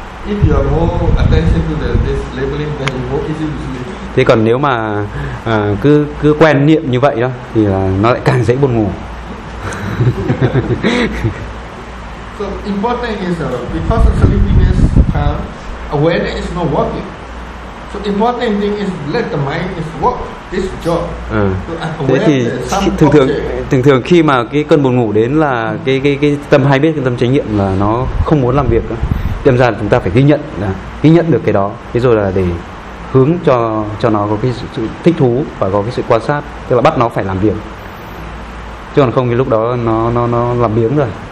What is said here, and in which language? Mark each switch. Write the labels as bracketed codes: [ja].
[en] If you are more attention to this labeling, then you more easy to sleep. [vi] Thế còn nếu mà cứ quen niệm như vậy đó thì là nó lại càng dễ buồn ngủ. [en] So important is because of sleepiness comes, awareness is not working. So important thing is let the mind is work this job. [vi] Thế thì thường khi mà cái cơn buồn ngủ đến là cái tâm hay biết, cái tâm chánh niệm là nó không muốn làm việc đó. Đem ra là chúng ta phải ghi nhận được cái đó, thế rồi là để hướng cho nó có cái sự thích thú và có cái sự quan sát, tức là bắt nó phải làm việc, chứ còn không thì lúc đó nó làm biếng rồi.